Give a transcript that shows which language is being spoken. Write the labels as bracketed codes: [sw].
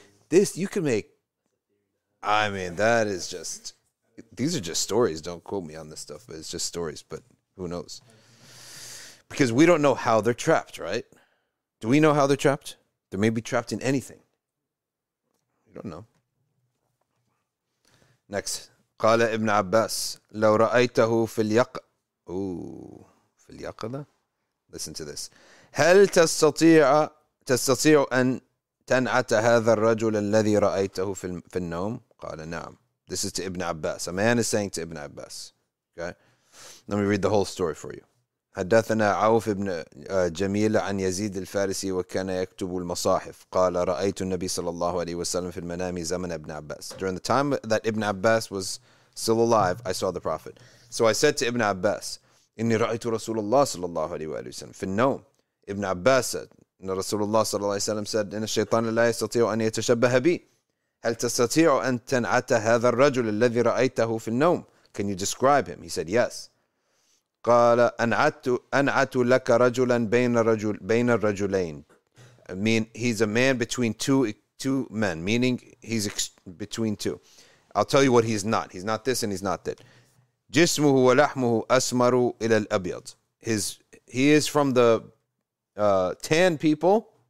[en] This, you can make, I mean, that is just, these are just stories. Don't quote me on this stuff, but it's just stories, but who knows? Because we don't know how they're trapped, right? Do we know how they're trapped? They may be trapped in anything. We don't know. Next. [ar] قال ابن عباس لو رأيته في اليق... Ooh, في اليقظة? [en] Listen to this. [ar] هل تستطيع أن تنعت هذا الرجل الذي رأيته في النوم؟ قال نعم. [en] This is to Ibn Abbas. A man is saying to Ibn Abbas. Okay. Let me read the whole story for you. [ar] حدثنا عوف بن جميل عن يزيد الفارسي وكان يكتب المصاحف. قال رأيت النبي صلى الله عليه وسلم في المنام زمن ابن عباس. [en] During the time that Ibn Abbas was still alive, I saw the Prophet. So I said to Ibn Abbas, [ar] إني رأيت رسول الله صلى الله عليه وسلم في النوم. [en] Ibn Abbas said, Rasulullah [ar] sallallahu alayhi wa sallam [en] said, [ar] إِنَّ الشَّيْطَانَ لَا يَسْتَطِيعُ أَنْ يَتَشَبَّهَ بِي. هَلْ تَسْتَطِيعُ أَنْ تَنْعَتَ هَذَا الرَّجُلِ الَّذِي رَأَيْتَهُ فِي النَّوْمِ. [en] Can you describe him? He said, yes. [ar] قَالَ أَنْعَتُ لَكَ رَجُلًا بَيْنَ الرَّجُلَيْنِ. [en] I mean, he's a man between two men, meaning he's between two. I'll tell you what he's not. He's not this and he's not that. [ar] جِسْمُهُ وَلَحْمُهُ أَسْمَرُ إِلَى الْأَبْيَضِ. [en] He is from the tan people